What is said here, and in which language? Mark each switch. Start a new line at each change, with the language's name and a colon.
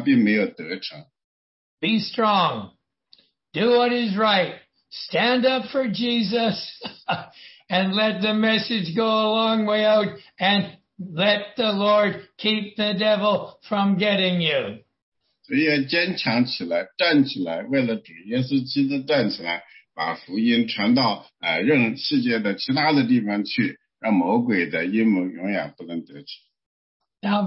Chinese: 受审的时候呢，我非常的孤独，但是呢，主耶稣基督和我在一起，所以呢，我把神的福音广泛的传出去了，魔鬼他并没有得逞。
English: Be strong. Do what is right. Stand up for Jesus and let the message go a long way out and let the Lord keep the devil from getting you.
Chinese: 所以要坚强起来，站起来，为了主耶稣基督站起来，把福音传到任世界的其他的地方去，让魔鬼的阴谋永远不能得逞。
English: Now